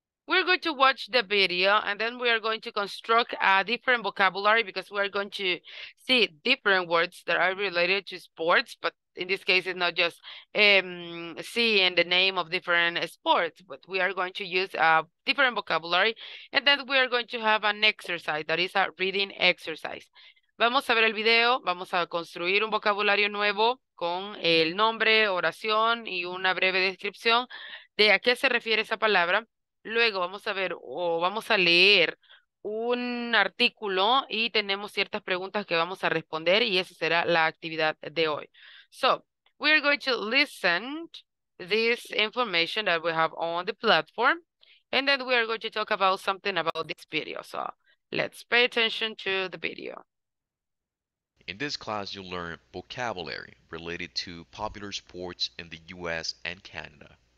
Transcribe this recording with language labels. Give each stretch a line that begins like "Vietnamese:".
English: We're going to watch the video and then we are going to construct a different vocabulary because we are going to see different words that are related to sports, but in this case, it's not just seeing the name of different sports, but we are going to use a different vocabulary and then we are going to have an exercise that is a reading exercise.
Spanish: Vamos a ver el video, vamos a construir un vocabulario nuevo con el nombre, oración y una breve descripción de a qué se refiere esa palabra. Luego vamos a ver o vamos a leer un artículo y tenemos ciertas preguntas que vamos a responder y esa será la actividad de hoy.
English: So, we are going to listen to this information that we have on the platform and then we are going to talk about something about this video. So, let's pay attention to the video. In this class, you'll learn vocabulary related to popular sports in the U.S. and Canada.